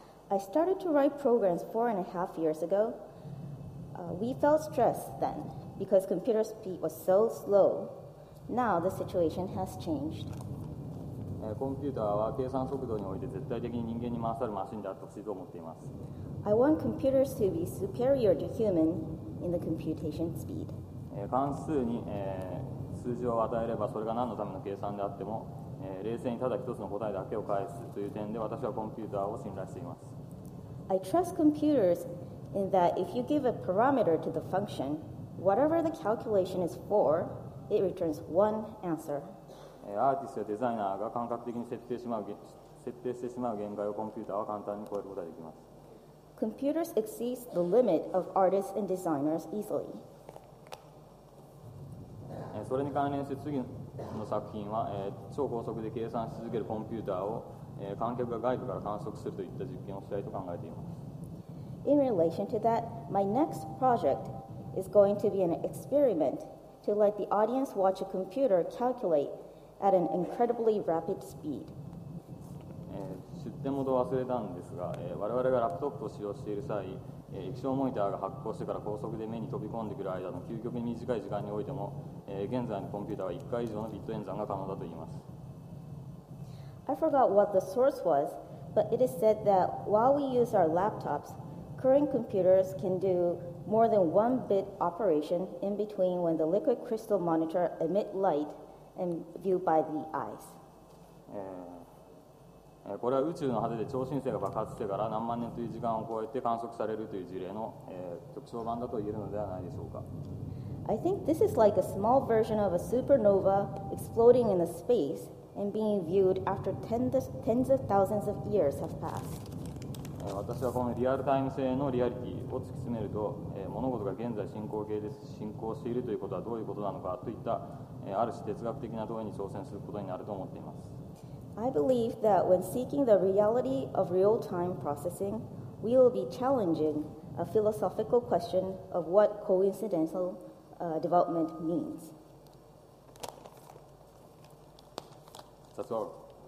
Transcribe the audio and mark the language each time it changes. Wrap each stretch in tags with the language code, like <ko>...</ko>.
<en>I started to write programs 4.5 years ago. We felt stressed then because computer speed was so slow. Now the situation has changed.</en> <ja>コンピューターは計算速度において絶対的に人間に勝るマシンであってほしいと思っています。</ja> <en>I want computers to be superior to human in the computation speed.</en> <ja>関数に、数字を与えればそれが何のための計算であっても、冷静にただ一つの答えだけを返すという点で私はコンピューターを信頼しています。</ja> <en>I trust computers in that if you give a parameter to the function, whatever the calculation is for,It returns one answer.</en> <ja>アーティストやデザイナーが感覚的に設定してしまう限界をコンピューターは簡単に超えることができます。</ja> <en>Computers exceed the limit of artists and designers easily.</en> <ja>それに関連して次の作品は、超高速で計算し続けるコンピューターを、観客が外部から観測するといった実験をしたいと考えています。</ja> <en>In relation to that, my next project is going to be an experimentTo let the audience watch a computer calculate at an incredibly rapid speed.</en> <ja>出典元を忘れたんですが、我々がラプトップを使用している際、液晶モニターが発光してから高速で目に飛び込んでくる間の究極に短い時間においても、現在のコンピューターは1回以上のビット演算が可能だと言います。</ja> <en>I forgot what the source was, but it is said that while we use our laptops, current computers can do. More than one bit operation in between when the liquid crystal monitor emit light and viewed by the eyes.</en> <ja>これは宇宙の果てで超新星が爆発してから何万年という時間を超えて観測されるという事例の極小版だと言えるのではないでしょうか。</ja> <en>I think this is like a small version of a supernova exploding in the space and being viewed after tens of thousands of years have passed.</en> <ja>私はこのリアルタイム性のリアリティを突き詰めると、物事が現在進行形で進行しているということはどういうことなのかといった、ある種哲学的な問いに挑戦することになると思っています。</ja> <en>I believe that when seeking the reality of real-time processing, we will be challenging a philosophical question of what coincidental development means. That's all.</en>